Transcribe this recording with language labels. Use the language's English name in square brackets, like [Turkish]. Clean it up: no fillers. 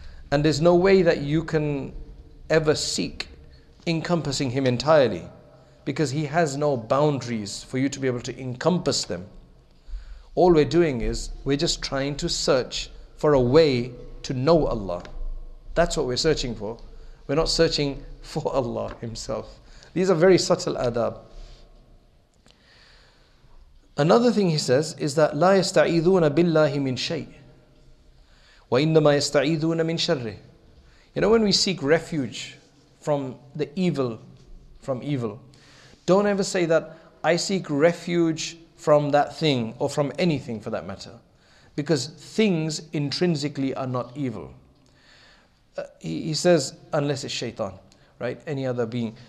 [English] And there's no way that you can ever seek encompassing Him entirely, because He has no boundaries for you to be able to encompass them. All we're doing is, we're just trying to search for a way to know Allah. That's what we're searching for. We're not searching for Allah Himself. These are very subtle adab. Another thing he says is that [Arabic] لا يستعيذون بالله من شيء وإنما يستعيذون من شره. [English] You know, when we seek refuge from the evil, from evil, don't ever say that I seek refuge from that thing or from anything for that matter, because things intrinsically are not evil. He says, unless it's shaitan, right? Any other being.